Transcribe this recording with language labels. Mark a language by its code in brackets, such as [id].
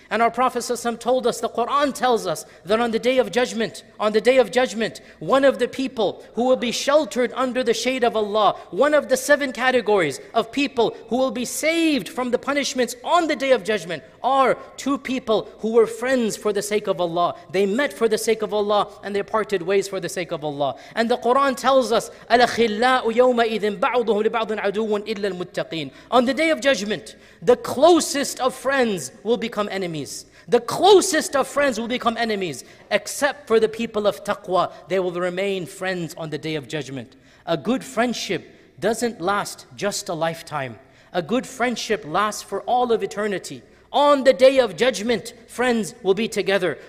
[en] And our Prophet ﷺ told us, the Quran tells us, that on the Day of Judgment, on the Day of Judgment, one of the people who will be sheltered under the shade of Allah, one of the seven categories of people who will be saved from the punishments on the Day of Judgment, are two people who were friends for the sake of Allah. They met for the sake of Allah, and they parted ways for the sake of Allah. And the Quran tells us, [ar] أَلَخِلَّاءُ يَوْمَئِذٍ بَعْضُهُ لِبَعْضٍ عَدُوٌ إِلَّا الْمُتَّقِينَ. [en] On the Day of Judgment, the closest of friends will become enemies. The closest of friends will become enemies, except for the people of taqwa. They will remain friends on the Day of Judgment. A good friendship doesn't last just a lifetime. A good friendship lasts for all of eternity. On the Day of Judgment, friends will be together.